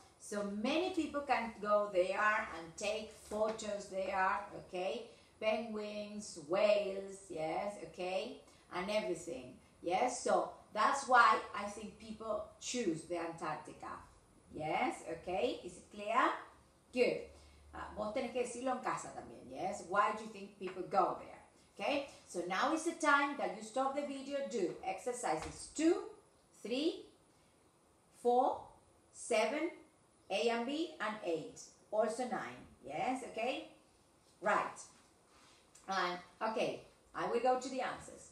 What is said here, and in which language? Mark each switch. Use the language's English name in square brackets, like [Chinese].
[English] So many people can go there and take photos there, okay? Penguins, whales, yes, okay? And everything, yes? So that's why I think people choose the Antarctica. Yes, okay? Is it clear? Good. [Spanish] Vos tenés que decirlo en casa también, yes? [English] Why do you think people go there? Okay, so now is the time that you stop the video, do exercises 2, 3, 4, 7, A and B, and 8, also 9, yes, okay, right, okay, I will go to the answers.